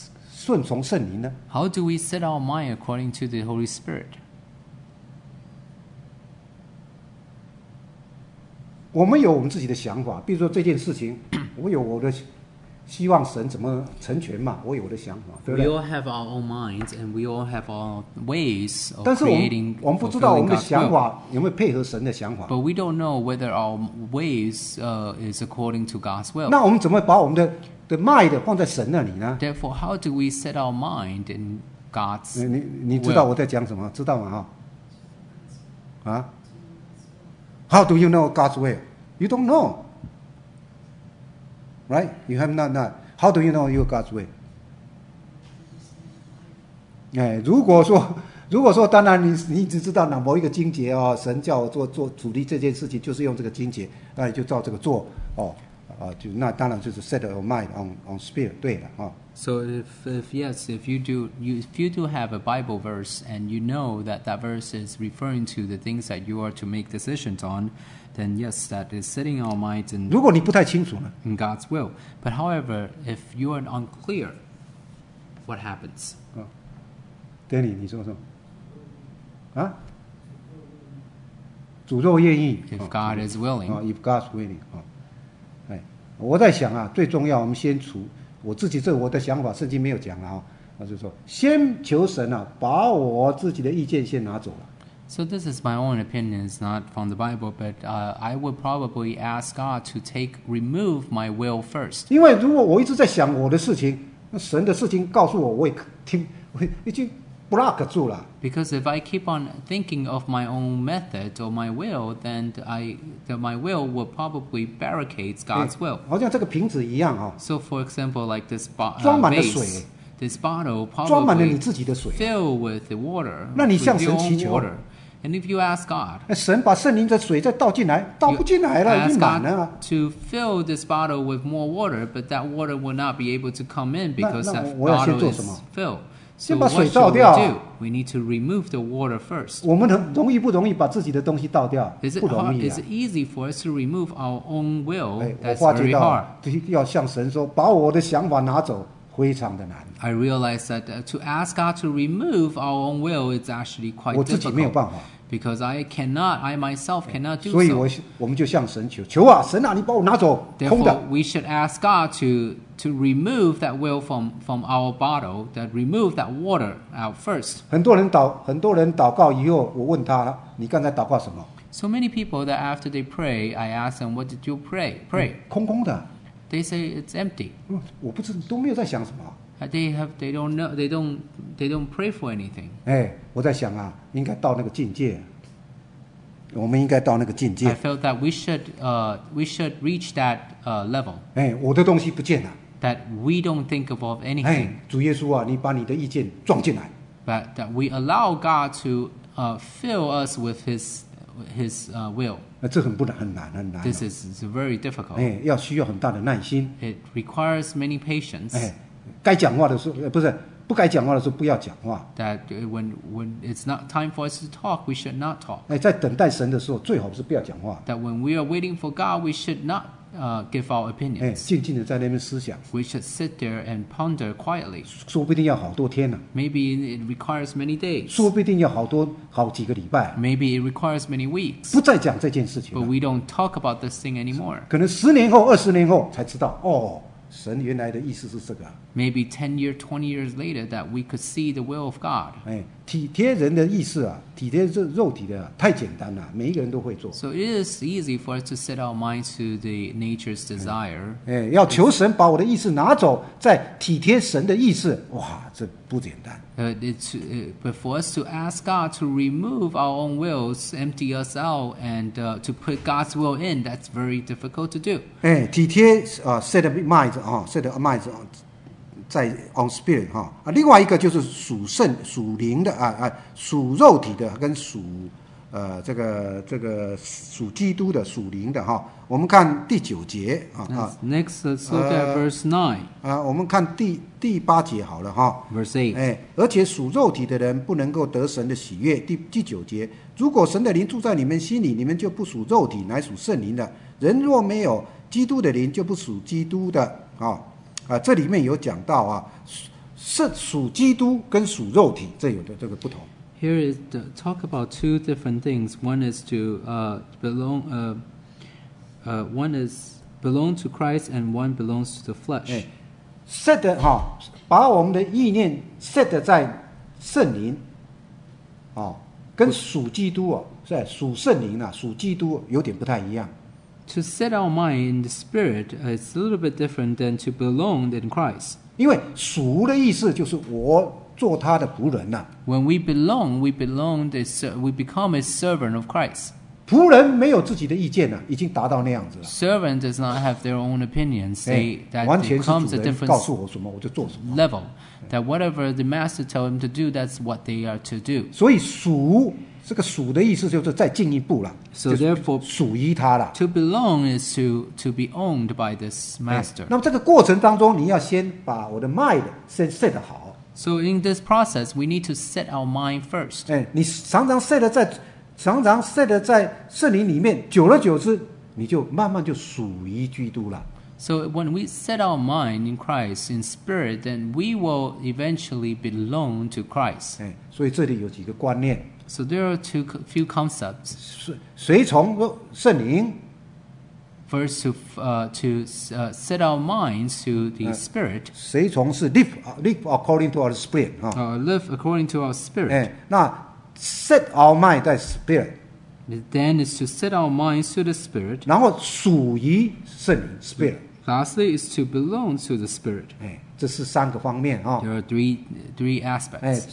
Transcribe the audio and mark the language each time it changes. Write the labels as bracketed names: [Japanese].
[Chinese] 顺从圣灵呢 [English] ？How do we set our mind according to the Holy Spirit？ [Chinese] 我们有我们自己的想法，比如说这件事情，我有我的希望神怎么成全嘛，我有我的想法，对不对 [English] ？We all have our own minds and we all have our ways of creating. [Chinese] 但是我们不知道我们的想法有没有配合神的想法。 [English] But we don't know whether our ways is according to God's will. [Chinese] 那我们怎么把我们的 [English] The mind [Chinese] 放在神那里呢 [English] ？Therefore, how do we set our mind in God's will? [Chinese] 你知道我在讲什么？知道吗？哈？ [English] 啊 ？How do you know God's will? You don't know, right? You have not known. How do you know your God's will? [Chinese] 哎，如果说，当然你只知道哪某一个经节啊、哦，神叫我做主力这件事情，就是用这个经节，那你就照这个做哦。就那当然就是 [English] set your mind on spirit [Chinese] 对的、哦、 [English] So if you do have a Bible verse and you know that verse is referring to the things that you are to make decisions on, then yes, that is setting our minds in. [Chinese] 如果你不太清楚呢 [English] ？In God's will. But however, if you are unclear, what happens?、 [Chinese] 哦、Danny， 你说什么？啊？主若愿意。 [English] If God is willing.、 [Chinese] 哦、 [English] If God's willing.、 [Chinese] 哦我在想啊，最重要，我们先我自己这我的想法，圣经没有讲了啊，就是说先求神啊，把我自己的意见先拿走了。 [English] So this is my own opinion, it's not from the Bible, but I would probably ask God to remove my will first. [Chinese] 因为如果我一直在想我的事情，那神的事情告诉我，我也听，我已经block 住了。 [English] Because if I keep on thinking of my own method or my will, then my will will probably barricade God's will. [Chinese] 好像这个瓶子一样啊。 [English] So for example, like this [Chinese] bottle, 装满了水。 [English] This bottle probably [Chinese] 装满了你自己的水。 [English] Fill with the water. [Chinese] 那你向神祈求。 [English] And if you ask God, [Chinese] 神把圣灵的水再倒进来，倒不进来了，已经满了。 [English] To fill this bottle with more water, but that water will not be able to come in because that bottle is filled. [Chinese] 先把水倒掉。 [English] So what should we do? We need to remove the water first. [Chinese] 我们容易不容易把自己的东西倒掉？不容易啊。 [English] Is it easy for us to remove our own will? That's very hard. [Chinese] 要向神说，把我的想法拿走，非常的难。 [English] I realize that to ask God to remove our own will is actually quite difficult. [Chinese] 我自己没有办法。 [English] Because I myself cannot do so. [Chinese] 所以我们就向神求，求啊，神啊，你把我拿走，空的。 [English] Therefore, we should ask God to remove that will from our bottle, that remove that water out first. [Chinese] 很多人祷告以后，我问他，你刚才祷告什么？ [English] So many people that after they pray, I ask them, what did you pray? [Chinese] 空空的。 [English] They say it's empty. [Chinese] 我不知道，都没有在想什么。 [English] They don't pray for anything. [Chinese] 我在想啊，应该到那个境界。我们应该到那个境界。 [English] I felt that we should reach that level. [Chinese] 我的东西不见了。 [English] That we don't think of anything. [Chinese] 主耶稣啊，你把你的意见撞进来。 [English] But that we allow God to fill us with His will. [Chinese] 这很不难，很难，很难。 [English] This is very difficult. [Chinese] 要需要很大的耐心。 [English] It requires many patience. [Chinese] 该讲话的时候，不是。不该讲话的时候不要讲话。 [English] That when it's not time for us to talk, we should not talk. [Chinese] 在等待神的时候，最好是不要讲话。 [English] That when we are waiting for God, we should not give our opinions. [Chinese] 静静的在那边思想。 [English] We should sit there and ponder quietly. [Chinese] 说不定要好多天呢。 [English] Maybe it requires many days. [Chinese] 说不定要好几个礼拜。 [English] Maybe it requires many weeks. [Chinese] 不再讲这件事情。 [English] But we don't talk about this thing anymore. [Chinese] 可能十年后、二十年后才知道哦。神原来的意思是这个。 [English] Maybe 10 years, 20 years later that we could see the will of God. [Chinese] 体贴人的意思啊，体贴肉体的啊，太简单了，每一个人都会做。 [English] So it is easy for us to set our minds to the nature's desire. [Chinese] 要求神把我的意思拿走，再体贴神的意思，哇，这不简单。 [English] But for us to ask God to remove our own wills, empty us out, and to put God's will in, that's very difficult to do. 体贴啊，set a mind 啊，set a mind 啊。 [Chinese] 在 [English] on spirit [Chinese] 哈啊，另外一个就是属圣属灵的啊属肉体的跟属这个属基督的属灵的哈。我们看第九节啊 [English] Next, let's look at verse 9. [Chinese] 我们看第八节好了哈。 [English] Verse 8. [Chinese] 而且属肉体的人不能够得神的喜悦。第九节，如果神的灵住在你们心里，你们就不属肉体，乃属圣灵的。人若没有基督的灵，就不属基督的啊。这里面有讲到啊，属基督跟属肉体，这有的这个不同。 [English] Here is the talk about two different things. One is to belong to Christ, and one belongs to the flesh. [Chinese] Set 的哈，把我们的意念 set 在圣灵，跟属基督啊，是属圣灵啊，属基督有点不太一样。 [English] To set our mind in the spirit is a little bit different than to belong in Christ. [Chinese] 因为属的意思就是我做他的仆人啊。 [English] When we belong, we become a servant of Christ. [Chinese] 仆人没有自己的意见啊，已经达到那样子了。 [English] Servant does not have their own opinion. Say that becomes a different level. That whatever the master tell him to do, that's what they are to do. [Chinese] 所以属这个属的意思就是再进一步了 [English] ，so therefore [Chinese] 属于他了。 [English] To belong is to be owned by this master. [Chinese] 那么这个过程当中，你要先把我的 mind 先 set 好。 [English] So in this process, we need to set our mind first. [Chinese] 你常常 set 在圣灵里面，久了久之，你就慢慢就属于基督了。 [English] So when we set our mind in Christ, in spirit, then we will eventually belong to Christ. [Chinese] 所以这里有几个观念。 [English] So there are two few concepts. [Chinese] 随从圣灵 [English] first to set our minds to the spirit. [Chinese] 随从是 [English] live according to our spirit. Live according to our spirit. 那 set our mind 在 spirit. Then is to set our minds to the spirit. [Chinese] 然后属于圣灵 spirit. [English] Lastly is to belong to the spirit. [Chinese] 这是三个方面、 [English] There are three aspects.